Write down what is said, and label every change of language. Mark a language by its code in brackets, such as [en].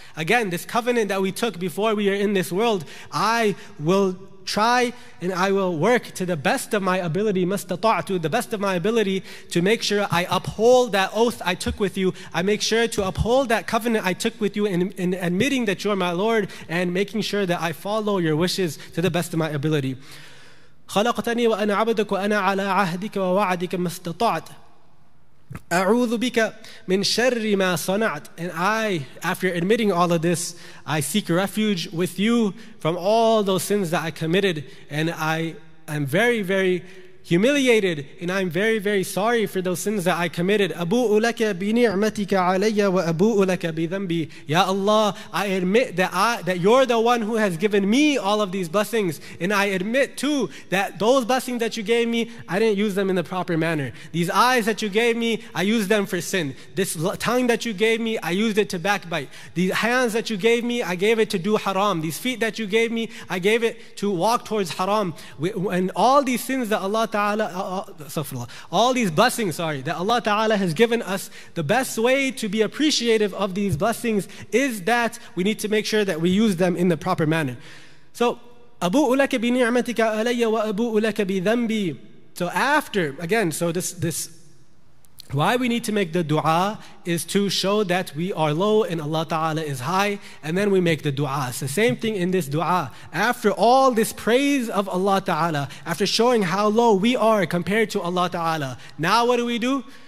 [en] Again, this covenant that we took before we are in this world, I will try and I will work to the best of my ability, [ar] مَسْتَطَعْتُ, [en] the best of my ability, to make sure I uphold that oath I took with you. I make sure to uphold that covenant I took with you in admitting that you're my Lord and making sure that I follow your wishes to the best of my ability. [ar] خلقتني وأنا عبدك وأنا على عهدك ووعدك ما استطعت أعوذ بك من شر ما صنعت. [en] And I, after admitting all of this, I seek refuge with you from all those sins that I committed, and I am very, very humiliated, and I'm very, very sorry for those sins that I committed. [ar] أبوء لك بنعمتك علي وأبوء لك بذنبي. [en] Ya Allah, I admit that you're the one who has given me all of these blessings, and I admit too that those blessings that you gave me, I didn't use them in the proper manner. These eyes that you gave me, I used them for sin. This tongue that you gave me, I used it to backbite. These hands that you gave me, I gave it to do haram. These feet that you gave me, I gave it to walk towards haram. And all these sins that Allah Ta'ala, all these blessings, sorry, that Allah Ta'ala has given us, the best way to be appreciative of these blessings is that we need to make sure that we use them in the proper manner. So, [ar] أبوء لك بنعمتك علي وأبوء لك بذنبي. [en] So after, again, so this, why we need to make the dua is to show that we are low and Allah Ta'ala is high, and then we make the dua. So same thing in this dua. After all this praise of Allah Ta'ala, after showing how low we are compared to Allah Ta'ala, now what do?